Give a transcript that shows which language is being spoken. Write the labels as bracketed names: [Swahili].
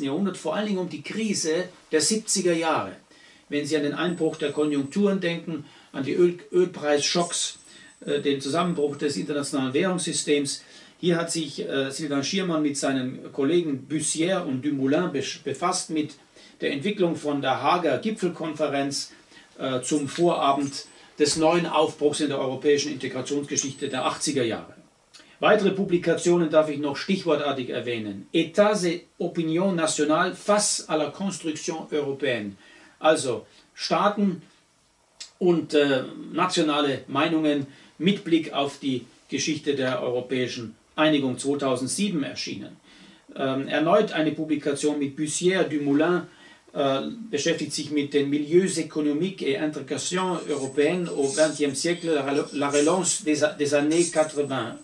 [German] Jahrhundert, vor allen Dingen um die Krise der 70er Jahre. Wenn Sie an den Einbruch der Konjunkturen denken, an die Ölpreisschocks, den Zusammenbruch des internationalen Währungssystems, hier hat sich Sylvain Schirmann mit seinen Kollegen Bussière und Dumoulin befasst mit der Entwicklung von der Haager Gipfelkonferenz zum Vorabend des neuen Aufbruchs in der europäischen Integrationsgeschichte der 80er Jahre. Weitere Publikationen darf ich noch stichwortartig erwähnen. [French] Etats et opinion nationale face à la construction européenne. [German] Also Staaten und nationale Meinungen mit Blick auf die Geschichte der europäischen Einigung 2007 erschienen. Erneut eine Publikation mit Bussière, Dumoulin, beschäftigt sich mit den [French] Milieux économiques et intégration européenne au XXe siècle, la relance des années 80.